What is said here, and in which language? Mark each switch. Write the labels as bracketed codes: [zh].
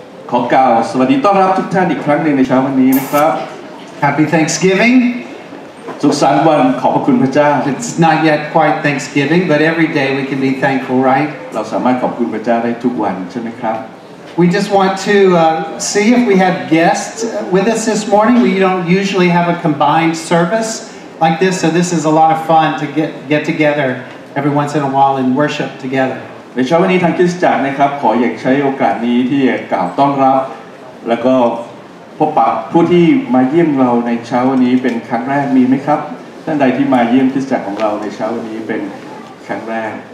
[th] ขอกล่าวสวัสดีต้อนรับทุกท่านอีกครั้งหนึ่งในเช้าวันนี้นะครับ [en] Happy Thanksgiving. [th] สุขสันต์วันขอบพระคุณพระเจ้า [en] It's not yet quite Thanksgiving, but every day we can be thankful, right? [th] เราสามารถขอบคุณพระเจ้าได้ทุกวันใช่ไหมครับ [en] We just want to see if we have guests with us this morning. We don't usually have a combined service like this, so this is a lot of fun to get together every once in a while and worship together. [th] ในเช้าวันนี้ทางคริสตจักรนะครับขออยากใช้โอกาสนี้ที่จะกล่าวต้อนรับแล้วก็พบปะผู้ที่มาเยี่ยมเราในเช้าวันนี้เป็นครั้งแรกมีไหมครับท่านใดที่มาเยี่ยมคริสตจักรของเราในเช้าวันนี้เป็นครั้งแรก